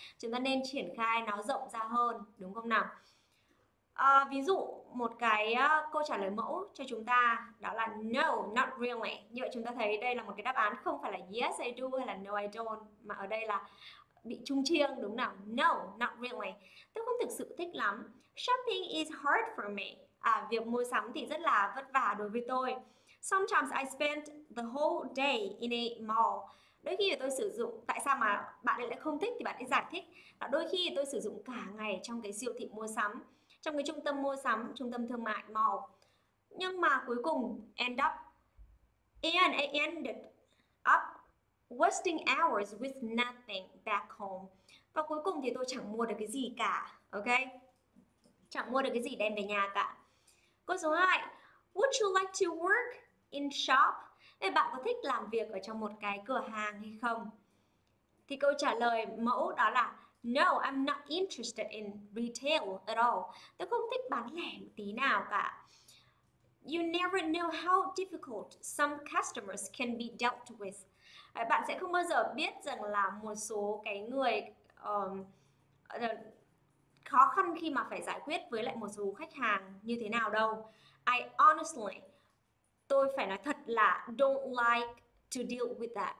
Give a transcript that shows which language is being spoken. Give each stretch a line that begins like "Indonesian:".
Vietnamese: Chúng ta nên triển khai nó rộng ra hơn, đúng không nào? Ví dụ một cái câu trả lời mẫu cho chúng ta đó là
English: No, not really.
Vietnamese: Như vậy chúng ta thấy đây là một cái đáp án không phải là
English: Yes, I do
Vietnamese: hay là
English: No, I don't,
Vietnamese: mà ở đây là bị trung chiêng, đúng nào?
English: No, not really.
Vietnamese: Tôi không thực sự thích lắm.
English: Shopping is hard for me.
Vietnamese: Việc mua sắm thì rất là vất vả đối với tôi.
English: Sometimes I spend the whole day in a mall.
Vietnamese: Đôi khi tôi sử dụng, tại sao mà bạn ấy lại không thích thì bạn ấy giải thích là đôi khi tôi sử dụng cả ngày trong cái siêu thị mua sắm, trong cái trung tâm mua sắm, trung tâm thương mại mall. Nhưng mà cuối cùng
English: I ended up wasting hours with nothing back home.
Vietnamese: Và cuối cùng thì tôi chẳng mua được cái gì cả, ok? Chẳng mua được cái gì đem về nhà cả. Câu số 2,
English: would you like to work in shop?
Vietnamese: Ê, bạn có thích làm việc ở trong một cái cửa hàng hay không? Thì câu trả lời mẫu đó là
English: No, I'm not interested in retail at all.
Vietnamese: Tôi không thích bán lẻ một tí nào cả.
English: You never know how difficult some customers can be dealt with.
Vietnamese: Bạn sẽ không bao giờ biết rằng là một số cái người khó khăn khi mà phải giải quyết với lại một số khách hàng như thế nào đâu.
English: I honestly,
Vietnamese: tôi phải nói thật là
English: don't like to deal with that.